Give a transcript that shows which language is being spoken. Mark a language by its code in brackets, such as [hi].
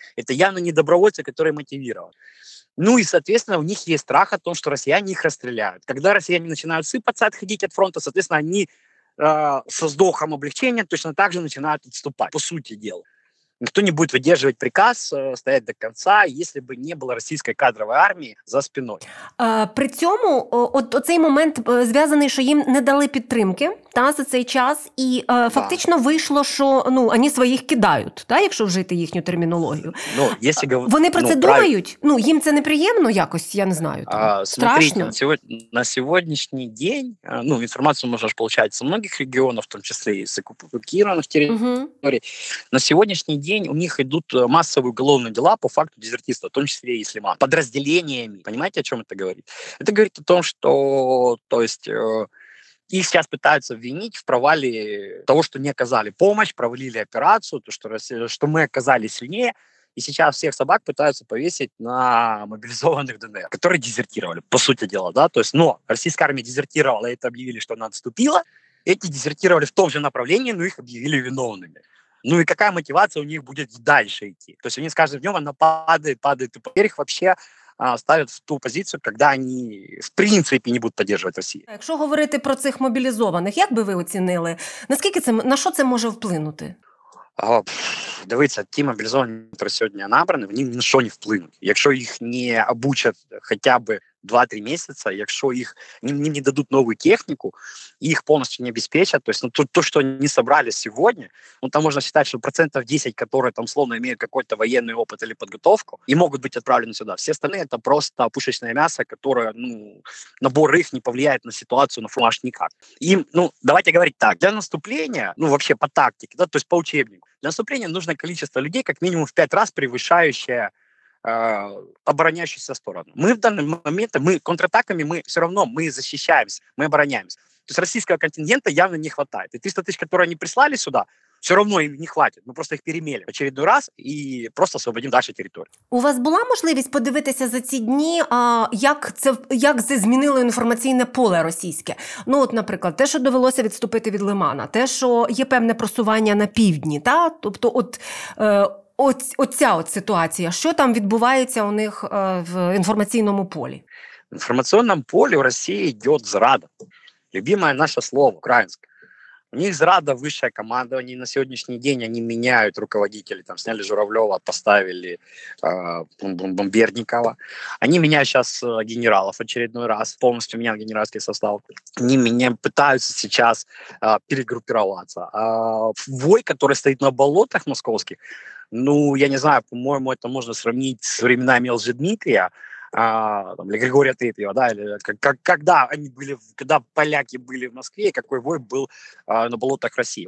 [ru] Это явно не добровольцы, которые мотивированы. Ну и, соответственно, у них есть страх о том, что россияне их расстреляют. Когда россияне начинают сыпаться, отходить от фронта, соответственно, они со вздохом облегчения точно так же начинают отступать, по сути дела. Никто не будет выдерживать приказ стоять до конца, если бы не было российской кадровой армии за спиной. [uk] При цьому, оцей момент зв'язаний, що їм не дали підтримки та за цей час, і фактично вийшло, що вони своїх кидають, та, якщо вжити їхню термінологію. Вони про це думають? Їм це неприємно якось, я не знаю. Страшно. На сьогоднішній день інформацію можна ж получати з багатьох регіонів, в тому числі і з окупованих територій. [ru] На сьогоднішній день у них идут массовые уголовные дела по факту дезертирства, в том числе и с Лиман, подразделениями. Понимаете, о чем это говорит? Это говорит о том, что их сейчас пытаются обвинить в провале того, что не оказали помощь, провалили операцию, что мы оказались сильнее, и сейчас всех собак пытаются повесить на мобилизованных ДНР, которые дезертировали, по сути дела. Да? Но российская армия дезертировала, и это объявили, что она отступила. Эти дезертировали в том же направлении, но их объявили виновными. Ну и какая мотивация у них будет дальше идти? То есть они с каждым днем, она падает. И теперь их вообще ставят в ту позицию, когда они в принципе не будут поддерживать Россию. [uk] Якщо говорити про цих мобілізованих, як би ви оцінили? Наскільки це, на що це може вплинути? Дивіться, ті мобілізовані, які сьогодні набрані, вони ні на що не вплинуть. Якщо їх не обучать хоча б 2-3 месяца, якщо їх не дадуть нову техніку, їх повністю не обеспечать, тобто то, що вони зібрали сьогодні, ну там можна вважати, що процентів 10, які там словно мають якийсь воєнний опит або підготовку, і можуть бути відправлені сюди. Всі остальні – це просто пушечне м'ясо, яке, ну, набор їх не повлияє на ситуацію на фронт аж ніяк. Їм, ну, давайте говорити так, для наступлення, ну, взагалі по тактиці, да, тобто по учебнику, для наступлення потрібне кількість людей, як мінімум в 5 разів перевищаюче обороняющуюся сторону. [ru] Мы в данный момент, мы контратаками, мы все равно, мы защищаемся, мы обороняемся. То есть российского контингента явно не хватает. И 300 тысяч, которые они прислали сюда, все равно їм не хватить. [uk] Ми просто їх перемелимо очередний раз і просто освободимо далі територію. У вас була можливість подивитися за ці дні, як це змінило інформаційне поле російське? Ну, от, наприклад, те, що довелося відступити від Лимана, те, що є певне просування на півдні, та? Тобто, от, оця от ситуація, що там відбувається у них в інформаційному полі? В інформаційному полі у Росії йде зрада. Любиме наше слово, українське. У них зрада вищого командування, на сьогоднішній день вони міняють руководителі, там зняли Журавльова, поставили Бердникова. Вони міняють зараз генералів очередний раз, повністю міняли генеральський состав. [ru] Вони пытаются сейчас перегруппироваться. Вой, который стоит на болотах московских, ну, я не знаю, по-моему, это можно сравнить с временами Лжедмитрия, там, или Григория Третьего, да, или когда они были, когда поляки были в Москве, какой вой был на болотах России.